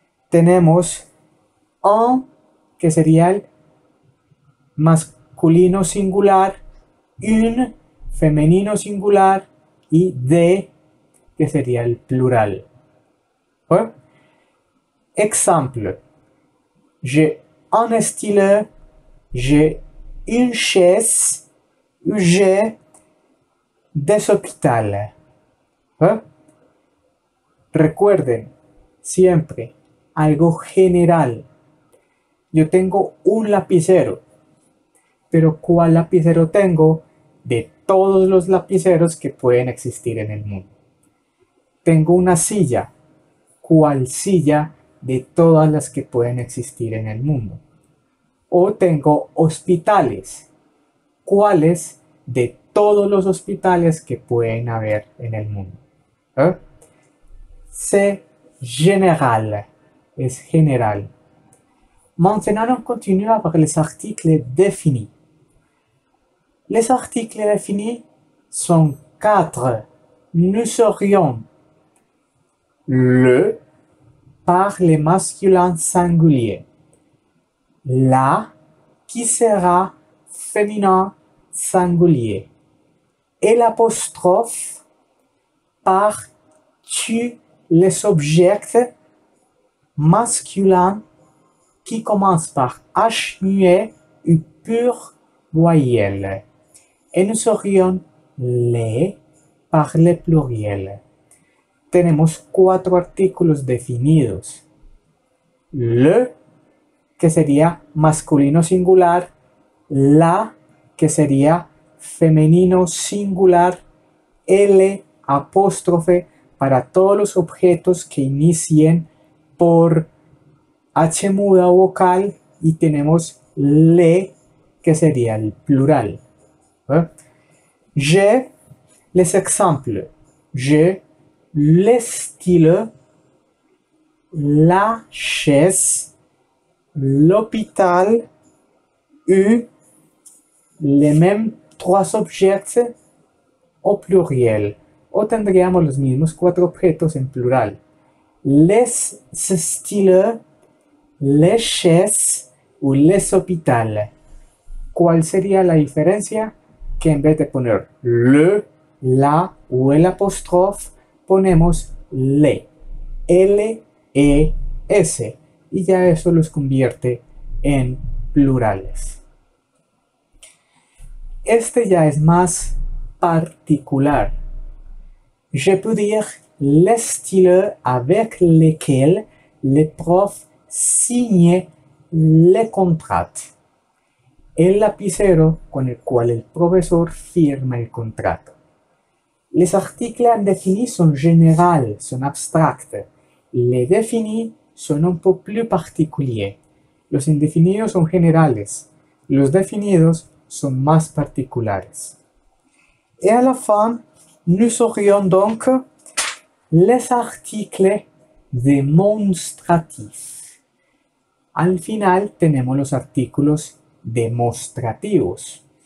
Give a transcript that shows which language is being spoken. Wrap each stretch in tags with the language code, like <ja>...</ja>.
<es>Tenemos un, que sería el masculino singular, une, femenino singular, y des, que sería el plural.</es> <fr>¿Eh? Exemple. J'ai un stylo, j'ai une chaise, j'ai des hôpitaux. ¿Eh?</fr> <es>Recuerden siempre algo general. Yo tengo un lapicero, pero ¿cuál lapicero tengo de todos los lapiceros que pueden existir en el mundo? Tengo una silla, ¿cuál silla de todas las que pueden existir en el mundo? O tengo hospitales, ¿cuáles de todos los hospitales que pueden haber en el mundo? ¿Eh?</es> <fr>C'est général,</fr> <es>es general.</es> <fr>Maintenant, on continue avec les articles définis. Les articles définis sont quatre. Nous serions le par le masculin singulier, la qui sera féminin singulier, et l'apostrophe par tu les objets masculins qui commencent par H muet ou pure voyelle. Et nous serions les par le pluriel.</fr> <es>Tenemos cuatro artículos definidos. Le, que sería masculino singular. La, que sería femenino singular. L, apóstrofe, para todos los objetos que inicien por H muda o vocal. Y tenemos le, que sería el plural.</es> <fr>J'ai les exemples. J'ai le stylo, la chaise, l'hôpital, eu les mêmes trois objets au pluriel.</fr> <es>O tendríamos los mismos cuatro objetos en plural.</es> <fr>Les stylos, les chaises ou les hôpitaux.</fr> <es>¿Cuál sería la diferencia? Que en vez de poner le, la o el apóstrofe, ponemos le, L-E-S, y ya eso los convierte en plurales. Este ya es más particular.</es> <fr>Je peux dire le stylo avec lequel le prof signe le contrat.</fr> <es>El lapicero con el cual el profesor firma el contrato.</es> <fr>Les articles indéfinis sont généraux, sont abstracts. Les définis sont un peu plus particuliers.</fr> <es>Los indefinidos son generales. Los definidos son más particulares.</es> <fr>Et à la fin, nous aurions donc les articles démonstratifs.</fr> <es>Al final, tenemos los artículos demostrativos.</es>